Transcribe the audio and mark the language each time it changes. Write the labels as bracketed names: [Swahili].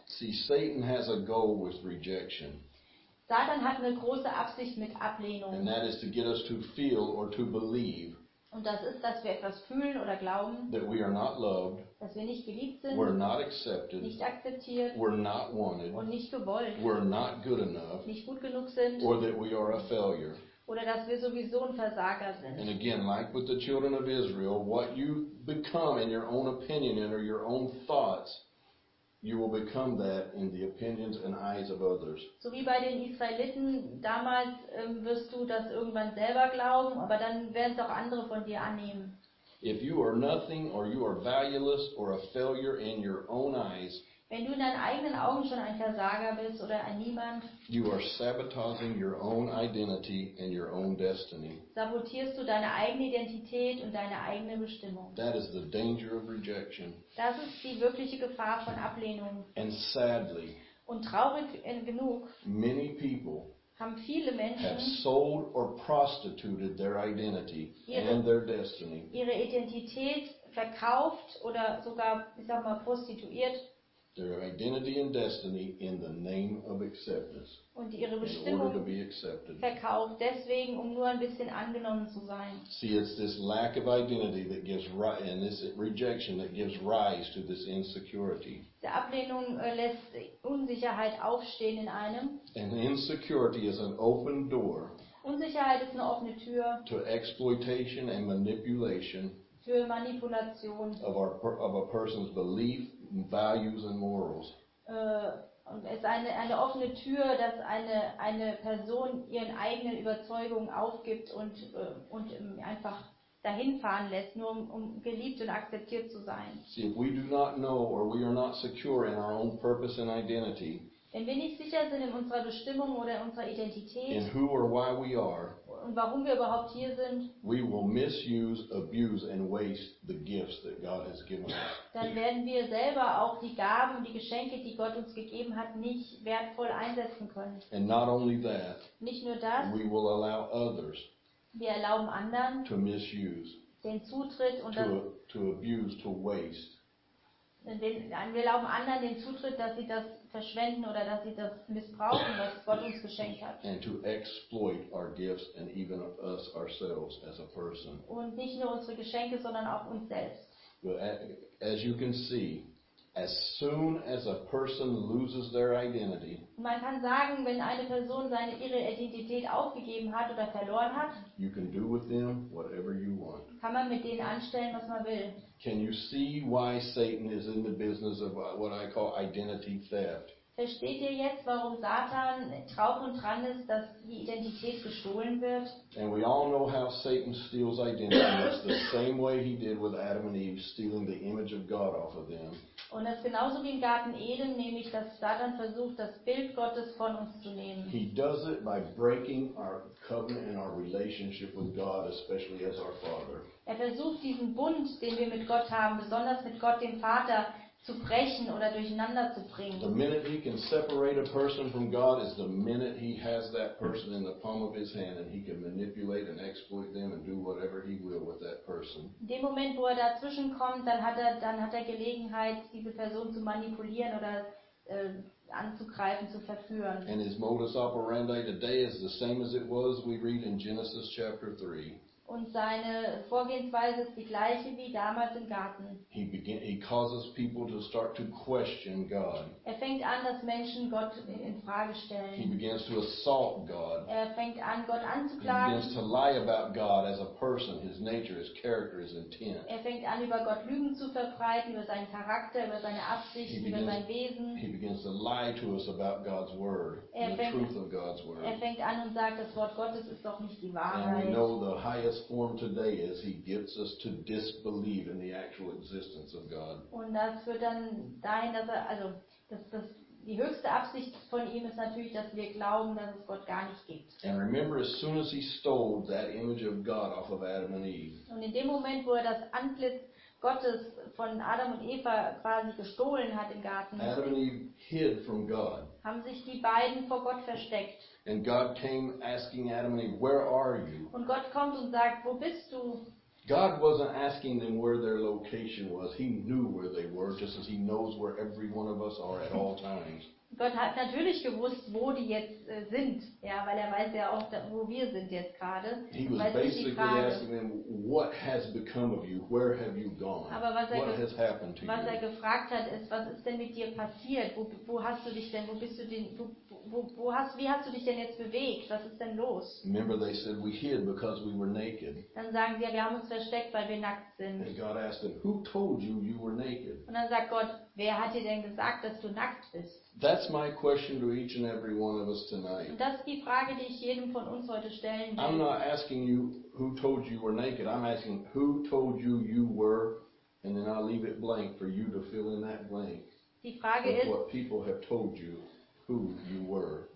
[English] See, Satan has a goal with rejection. [German] Satan hat eine große Absicht mit Ablehnung. [English] And that is to get us to feel or to believe. [German] Und das ist, dass wir etwas fühlen oder glauben. [English] That we are not loved. [German] Dass wir nicht geliebt sind. [English] We're not accepted. [German] Nicht akzeptiert. [English] We're not wanted. [German] Und nicht gewollt. [English] We're not good enough. [German] Nicht gut genug sind. [English] Or that we are a failure. [German] Oder dass wir sowieso ein Versager sind. [English] And again, like with the children of Israel, what you become in your own opinion and or your own thoughts, you will become that in the opinions and eyes of others. [German] So wie bei den Israeliten damals wirst du das irgendwann selber glauben, aber dann werden es auch andere von dir annehmen. [English] If you are nothing or you are valueless or a failure in your own eyes, [German] wenn du in deinen eigenen Augen schon ein Versager bist oder ein Niemand, [English] you are sabotaging your own identity and your own destiny. [German] Sabotierst du deine eigene Identität und deine eigene Bestimmung. [English] That is the danger of rejection. [German] Das ist die wirkliche Gefahr von Ablehnung. [English] And sadly, [German] und traurig genug, [English] many people [German] haben viele Menschen [English] have sold or prostituted their identity and their destiny. [German] Ihre Identität verkauft oder sogar, ich sag mal, prostituiert. [English] Their identity and destiny in the name of acceptance. [German] Und ihre Bestimmung verkauft deswegen, um nur ein bisschen angenommen zu sein. [English] See, it's this lack of identity that gives rise, and this rejection that gives rise to this insecurity. [German] Die Ablehnung lässt Unsicherheit aufstehen in einem. [English] And insecurity is an open door. [German] Unsicherheit ist eine offene Tür. [English] To exploitation and manipulation. [German] Für Manipulation. [English] Of a person's belief. Values and morals. [German] Es ist eine offene Tür, dass eine Person ihren eigenen Überzeugungen aufgibt und einfach dahinfahren lässt, nur um geliebt und akzeptiert zu sein. [English] See, if we do not know or we are not secure in our own purpose and identity, [German] Wenn wir nicht sicher sind in unserer Bestimmung oder in unserer Identität, [English] in who or why we are, [German] und warum wir überhaupt hier sind, [English] we will misuse, abuse and waste the gifts that God has given us. [German] Dann werden wir selber auch die Gaben und die Geschenke, die Gott uns gegeben hat, nicht wertvoll einsetzen können. [English] And not only that, [German] nicht nur das, [English] we will allow others, [German] wir erlauben anderen [English] to misuse, [German] den Zutritt und das, [English] to abuse, to waste. [German] Wir erlauben anderen den Zutritt, dass sie das verschwenden oder dass sie das missbrauchen, was Gott uns geschenkt hat. [English] And to exploit our gifts and even us ourselves as a person. [German] Und nicht nur unsere Geschenke, sondern auch uns selbst. [English] But as you can see, as soon as a person loses their identity, [German] man kann sagen, wenn eine Person seine ihre Identität aufgegeben hat oder verloren hat, [English] you can do with them whatever you want. [German] Kann man mit denen anstellen, was man will. [English] Can you see why Satan is in the business of what I call identity theft? [German] Versteht ihr jetzt, warum Satan drauf und dran ist, dass die Identität gestohlen wird? [English] And we all know how Satan steals identity. It's the same way he did with Adam and Eve, stealing the image of God off of them. [German] Und das ist genauso wie im Garten Eden, nämlich dass Satan versucht, das Bild Gottes von uns zu nehmen. [English] He does it by breaking our covenant and our relationship with God, especially as our Father. [German] Er versucht diesen Bund, den wir mit Gott haben, besonders mit Gott dem Vater, zu brechen oder durcheinander zu bringen. [English] The minute he can separate a person from God is the minute he has that person in the palm of his hand and he can manipulate and exploit them and do whatever he will with that person. [German] In dem Moment, wo er dazwischen kommt, dann hat er Gelegenheit, diese Person zu manipulieren oder anzugreifen, zu verführen. [English] And his modus operandi today is the same as it was, we read in Genesis chapter 3. [German] Und seine Vorgehensweise ist die gleiche wie damals im Garten. [English] He causes people to start to question God. [German] Er fängt an, dass Menschen Gott in Frage stellen. [English] He begins to assault God. [German] Er fängt an, Gott anzuklagen. [English] He begins to lie about God as a person, his nature, his character, his intent. [German] Er fängt an, über Gott Lügen zu verbreiten, über seinen Charakter, über seine Absichten, über sein Wesen. [English] He begins to lie to us about God's word, the truth of God's word. [German] Er fängt an und sagt, das Wort Gottes ist doch nicht die Wahrheit. [English] And we know the highest form today is he gets us to disbelieve in the actual existence of God. [German] Und das wird dann dahin, dass er, also das die höchste Absicht von ihm ist natürlich, dass wir glauben, dass es Gott gar nicht gibt. [English] And remember, as soon as he stole that image of God off of Adam and Eve. [German] Und in dem Moment, wo er das Antlitz Gottes von Adam und Eva quasi gestohlen hat im Garten, [English] Adam and Eve hid from God. [German] Haben sich die beiden vor Gott versteckt. [English] And God came asking Adam and Eve, where are you? [German] Und Gott kommt und sagt, wo bist du? [English] God wasn't asking them where their location was. He knew where they were, just as he knows where every one of us are at all times. [German] Gott hat natürlich gewusst, wo die jetzt sind, ja, weil er weiß ja auch, wo wir sind jetzt gerade. [English] He was basically asking them, what has become of you? Where have you gone? [German] Aber was er [English] what has happened to [German] was [English] you? [German] Was er gefragt hat, ist, was ist denn mit dir passiert? Wo hast du dich denn, wo bist du denn, wie hast du dich denn jetzt bewegt? Was ist denn los? [English] Remember, they said, we hid because we were naked. [German] Dann sagen sie, ja, wir haben uns versteckt, weil wir nackt sind. [English] And God asked them, who told you you were naked? [German] Und dann sagt Gott, wer hat dir denn gesagt, dass du nackt bist? [English] That's my question to each and every one of us tonight. [German] Und das ist die Frage, die ich jedem von uns heute stellen will. [English] I'm not asking you who told you were naked. I'm asking who told you you were, and then I'll leave it blank for you to fill in that blank. [German] Die Frage ist, [English] what people have told you who you were.